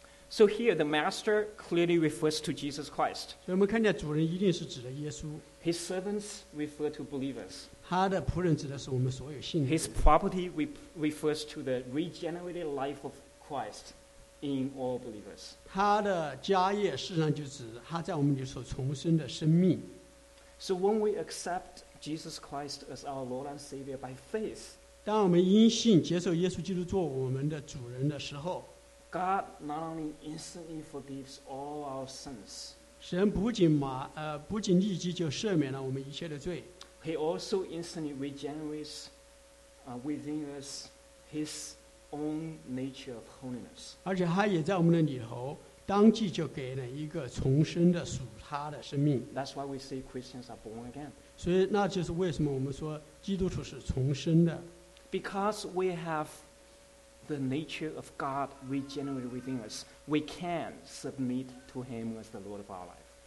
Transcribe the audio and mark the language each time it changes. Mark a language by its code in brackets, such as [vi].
[en] So here the master clearly refers to Jesus Christ. His servants refer to believers. His property refers to the regenerated life of Christ. In all believers. [zh] 他的家业事实上就指他在我们里所重生的生命。 [en] So when we accept Jesus Christ as our Lord and Savior by faith, [zh] 当我们因信接受耶稣基督做我们的主人的时候, [en] God not only instantly forgives all our sins, [zh] 神不仅立即就赦免了我们一切的罪, [en] He also instantly regenerates within us His own nature of holiness. [zh] 而且他也在我们的里头当即就给了一个重生的属他的生命。 [en] That's why we say Christians are born again. [zh] 所以那就是为什么我们说基督徒是重生的。 [en] Because we have the nature of God regenerated within us, we can submit to Him as the Lord of our life.